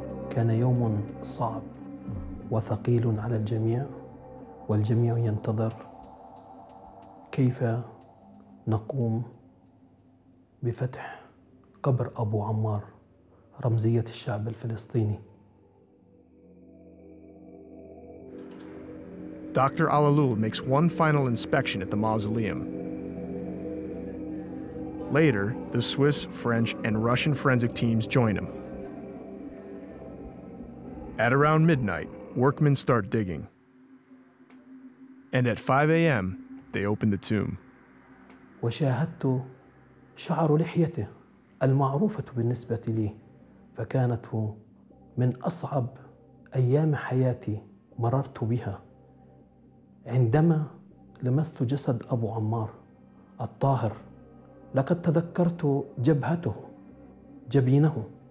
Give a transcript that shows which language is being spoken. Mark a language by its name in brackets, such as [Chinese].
[Arabic] كان يوم صعب وثقيل على الجميع والجميع ينتظر كيف نقوم بفتح قبر أبو عمار رمزية الشعب الفلسطيني. [English] Dr. Alaloul makes one final inspection at the mausoleum. Later, the Swiss, French, and Russian forensic teams join him. At around midnight, workmen start digging. And at 5 a.m., they open the tomb. [Arabic] وشاهدت شعر لحيته المعروفة بالنسبة لي فكانت من أصعب أيام حياتي مررت بها عندما لمست جسد أبو عمار الطاهر لقد تذكرت جبهته جبينه